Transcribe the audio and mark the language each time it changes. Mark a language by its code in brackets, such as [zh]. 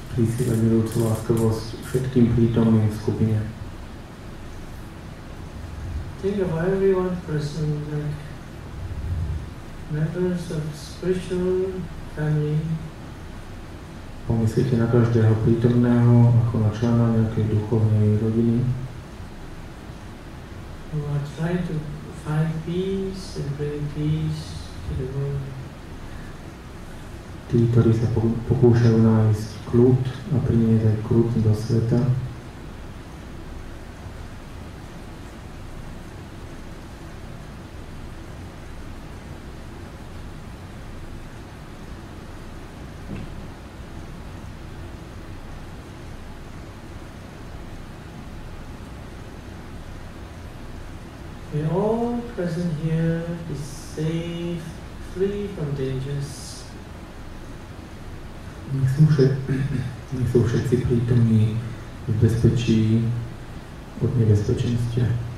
[sk] Všetkým prítomným v skupine. [en] Think of every one person like members of spiritual family. [sk] Pomyslite na každého prítomného ako na člena nejakej duchovnej rodiny. [en] Who are trying to find peace and bring peace to the world. [sk] Tí, ktorí sa pokúšajú nájsť kľud a priniesť aj kľud do sveta. [en] We all present here is safe, free from dangers. [sk] Nech sú všetci prítomní v bezpečí od nebezpečenstia.